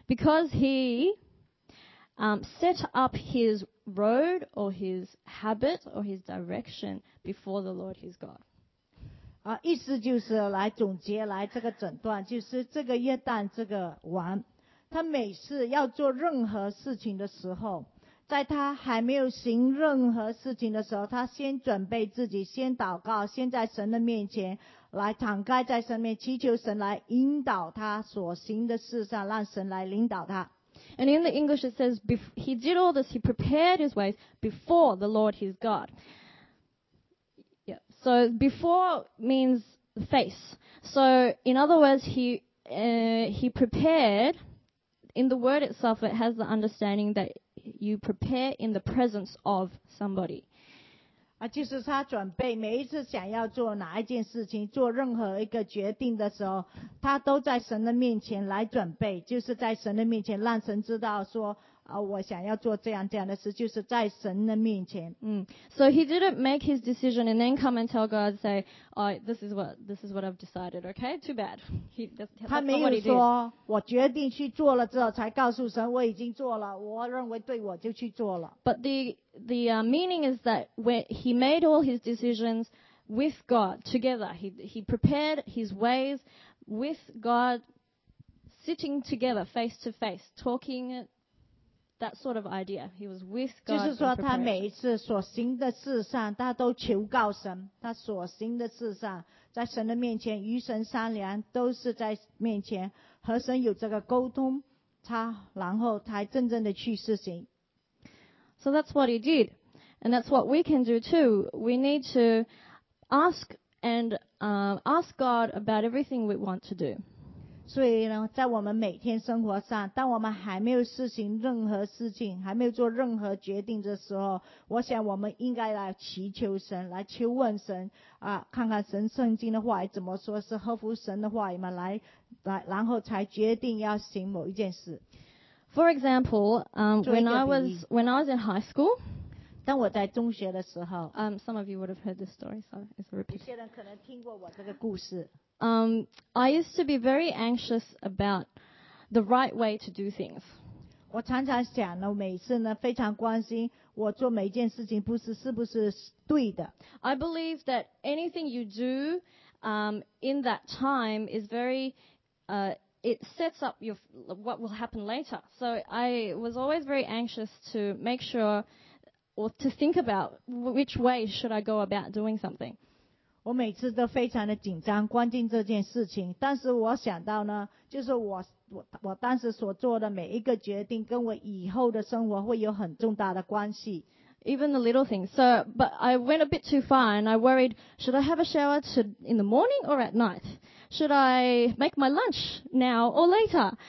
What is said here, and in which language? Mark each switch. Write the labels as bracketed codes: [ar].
[en] Because he set up his road or his habit or his direction before the Lord his God. [zh] 啊，意思就是来总结来这个诊断，就是这个约旦这个王，他每次要做任何事情的时候，在他还没有行任何事情的时候，他先准备自己，先祷告，先在神的面前来敞开在神面，祈求神来引导他所行的事上，让神来领导他。 [en] And in the English it says, he did all this, he prepared his ways before the Lord his God. Yeah. So before means face. So in other words, he prepared, in the word itself it has the understanding that you prepare in the presence of somebody. [zh] 啊，就是他准备每一次想要做哪一件事情，做任何一个决定的时候，他都在神的面前来准备，就是在神的面前让神知道说，啊，我想要做这样这样的事，就是在神的面前。 [en] 嗯 ，So he didn't make his decision and then come and tell God, say, "Oh, this is what I've decided." Okay, too bad. He [zh] 没有说我决定去做了之后才告诉神我已经做了，我认为对我就去做了。 [en] But the meaning is that when he made all his decisions with God together, he prepared his ways with God, sitting together face to face, talking it. That sort of idea. He was with God. [zh] 就是说，他每一次所行的事上，他都求告神。他所行的事上，在神的面前与神商量，都是在面前和神有这个沟通。他然后才真正的去实行。 [en] So that's what he did, and that's what we can do too. We need to ask and ask God about everything we want to do. [zh] 所以呢，在我们每天生活上，当我们还没有实行任何事情，还没有做任何决定的时候，我想我们应该来祈求神，来求问神啊，看看神圣经的话语怎么说，是合乎神的话语吗？来，然后才决定要行某一件事。 [en] For example, when I was in high school, [zh] 当我在中学的时候 [en] some of you would have heard this story, so it's a repeat. [zh] 有些人可能听过我这个故事。 [en] I used to be very anxious about the right way to do things. [zh] 我常常想呢，每次呢，非常关心我做每件事情是不是对的。 [en] I believe that anything you do, in that time is very, it sets up your what will happen later. So I was always very anxious to make sure or to think about which way should I go about doing something. [zh] 我每次都非常的紧张，关心这件事情。但是我想到呢，就是我当时所做的每一个决定，跟我以后的生活会有很重大的关系。 [en] Even the little things. So, but I went a bit too far, and I worried: should I have a shower in the morning or at night? Should I make my lunch now or later?